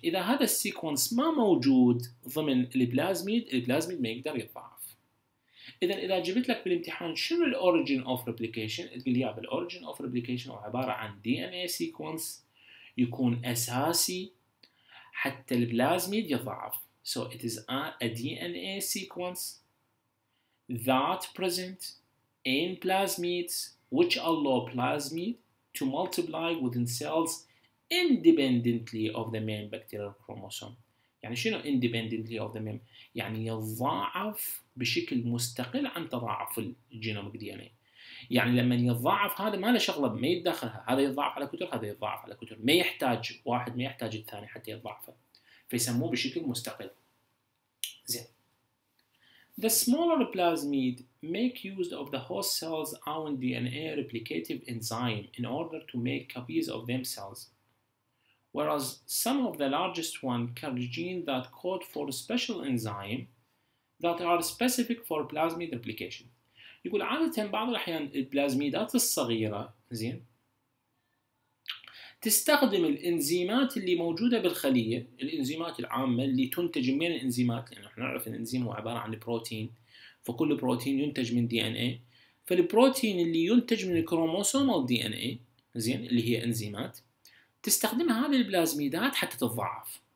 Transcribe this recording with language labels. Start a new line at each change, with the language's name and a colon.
Arabic: إذا هذا السيكونس ما موجود ضمن البلازميد، البلازميد ما يقدر يتضاعف. إذا جبت لك بالامتحان شنو الـ origin of replication، تقول يا بالـ origin of replication هو عبارة عن DNA sequence يكون أساسي حتى البلازميد يضعف.
English: So it is a DNA sequence that present in plasmids which allow plasmid to multiply within cells independently of the main bacterial chromosome.
Arabic: يعني شنو
English: independently of the main؟
Arabic: يعني يضاعف بشكل مستقل عن تضاعف الجينوميك دي ان اي. يعني لما يضاعف هذا ما له شغله، ما يتداخلها، هذا يضاعف على كتر، هذا يضاعف على كتر، ما يحتاج واحد ما يحتاج الثاني حتى يضاعفه، فيسموه بشكل مستقل. زين.
English: The smaller plasmid make use of the host cell's own DNA replicative enzyme in order to make copies of themselves. Whereas some of the largest ones carry genes that code for a special enzyme that are specific for plasmid replication.
Arabic: يقول عادة بعض الأحيان البلازميدات الصغيرة زين تستخدم الإنزيمات اللي موجودة بالخلية، الإنزيمات العامة اللي تنتج من الإنزيمات، لأن إحنا نعرف الإنزيم هو عبارة عن بروتين، فكل بروتين ينتج من DNA، فالبروتين اللي ينتج من الكروموسوم أو DNA زين اللي هي إنزيمات تستخدم هذه البلازميدات حتى تضعف.